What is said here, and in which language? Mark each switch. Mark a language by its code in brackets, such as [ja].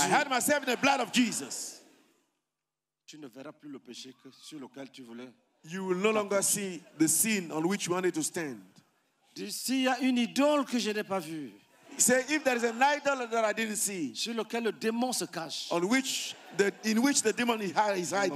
[en] I hide myself in the blood of Jesus. [fr] Tu ne verras plus le péché que sur lequel tu voulais. [en] You will no longer see the sin on which you wanted to stand. [fr] D'ici, il y a une idole que je n'ai pas vue. [en] Say, if there is an idol that I didn't see, [fr] sur lequel le démon se cache, [en] on which the, in which the demon is hiding,